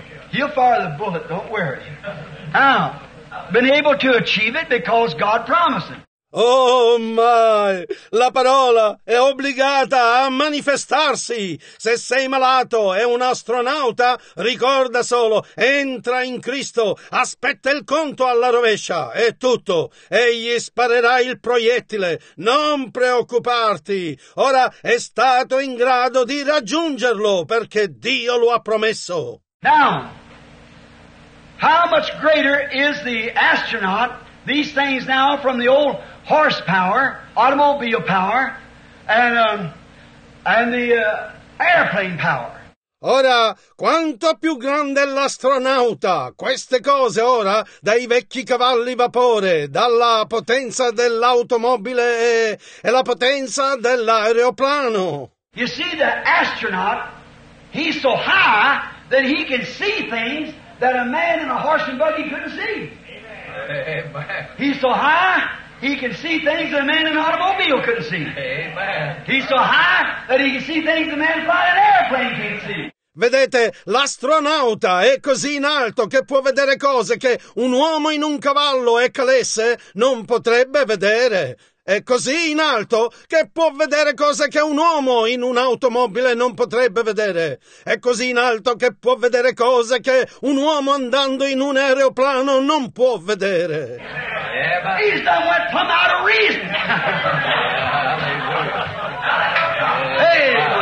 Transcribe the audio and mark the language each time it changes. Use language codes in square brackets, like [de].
[en] He'll fire the bullet, don't worry. Now, been able to achieve it because God promised him. Oh my! [it] La parola è obbligata a manifestarsi. Se sei malato e un astronauta, ricorda solo, entra in Cristo, aspetta il conto alla rovescia, è tutto. Egli sparerà il proiettile, non preoccuparti. Ora è stato in grado di raggiungerlo, perché Dio lo ha promesso. [en] Now, how much greater is the astronaut, these things now from the old horsepower, automobile power, and the airplane power. [it] Ora, quanto più grande è l'astronauta, queste cose ora, dai vecchi cavalli vapore, dalla potenza dell'automobile e la potenza dell'aeroplano. [en] You see, the astronaut, he's so high that he can see things that a man in a horse and buggy couldn't see. Amen. He's so high, he can see things that a man in an automobile couldn't see. Amen. He's so high that he can see things that a man flying an airplane can't see. [it] Vedete, l'astronauta è così in alto che può vedere cose che un uomo in un cavallo e calesse non potrebbe vedere. È così in alto che può vedere cose che un uomo in un'automobile non potrebbe vedere. È così in alto che può vedere cose che un uomo andando in un aeroplano non può vedere. [en] He's done what come out of reason. Hey.